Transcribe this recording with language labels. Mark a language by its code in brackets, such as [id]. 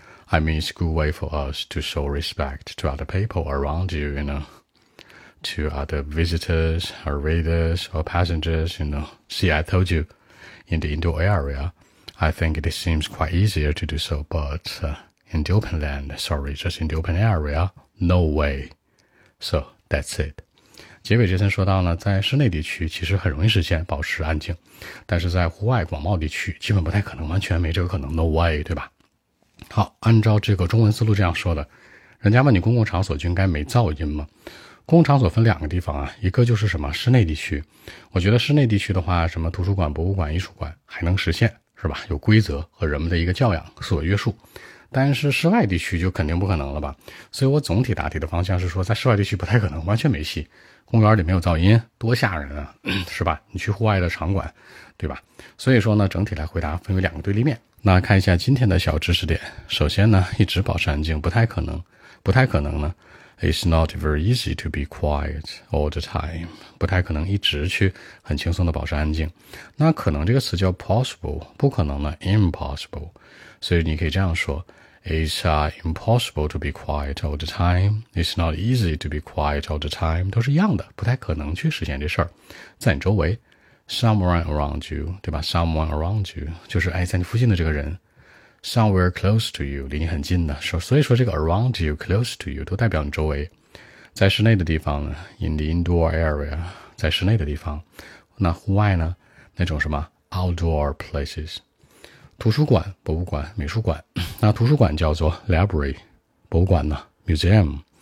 [en] I mean, it's a good way for us to show respect to other people around you, you know, to other visitors, or readers, or passengers, you know. See, I told you, in the indoor area,I think it seems quite easier to do so, but in the open land, sorry, just in the open area, no way. So, that's it. [zh] 结尾杰森说到呢，在室内地区其实很容易实现保持安静，但是在户外广袤地区基本不太可能，完全没这个可能， [en] no way, [zh] 对吧？好，按照这个中文思路这样说的，人家问你公共场所就应该没噪音吗？公共场所分两个地方啊，一个就是什么室内地区，我觉得室内地区的话，什么图书馆、博物馆、艺术馆还能实现。是吧，有规则和人们的一个教养所约束，但是室外地区就肯定不可能了吧。所以我总体答题的方向是说，在室外地区不太可能，完全没戏。公园里没有噪音多吓人啊，是吧？你去户外的场馆，对吧？所以说呢，整体来回答分为两个对立面，那看一下今天的小知识点。首先呢，一直保持安静不太可能。不太可能呢 [en] ,It's not very easy to be quiet all the time. [zh] 不太可能一直去很轻松地保持安静。那可能这个词叫 possible, 不可能呢 ,impossible. 所以你可以这样说 [en] ,It's impossible to be quiet all the time. It's not easy to be quiet all the time. [zh] 都是一样的，不太可能去实现这事儿。在你周围 [en] Someone around you, [zh] 对吧 ?Someone around you, 就是哎在你附近的这个人。 [en] Somewhere close to you, [zh] 离你很近的。所以说这个 [en] around you, close to you, [zh] 都代表你周围。在室内的地方呢 , [en] in the indoor area, [zh] 在室内的地方。那户外呢那种什么 , [en] outdoor places。 [zh] 图书馆、博物馆、美术馆。那图书馆叫做 library, 博物馆呢 ,museum。